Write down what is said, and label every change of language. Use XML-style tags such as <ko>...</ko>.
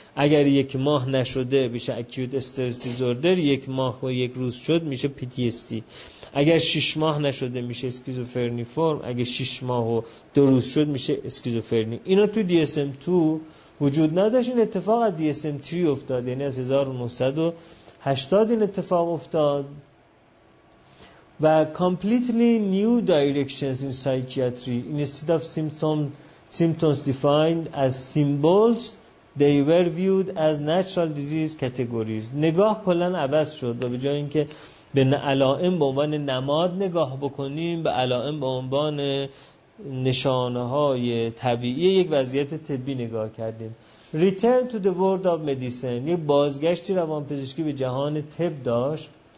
<fa>اگر یک ماه نشده بشه اکیوت استرس دیزوردر، یک ماه و یک روز شد میشه PTSD، اگر 6 ماه نشده میشه اسکیزوفرنی فرم، اگر 6 ماه و 2 روز شد میشه اسکیزوفرنی. اینا تو DSM-2 وجود نداشت، این اتفاق از DSM-3 افتاد، یعنی از 1980 این اتفاق افتاد.</fa> <en>و completely new directions in psychiatry instead of symptoms defined as symbols they were viewed as natural disease categories.</en> <fa>نگاه کلن عوض شد و به جای اینکه به علائم به عنوان نماد نگاه بکنیم، به علائم به عنوان نشانه های طبیعی یک وضعیت طبی نگاه کردیم. Return to the world of medicine، یک بازگشتی روان پزشکی به جهان طب داشت.</fa>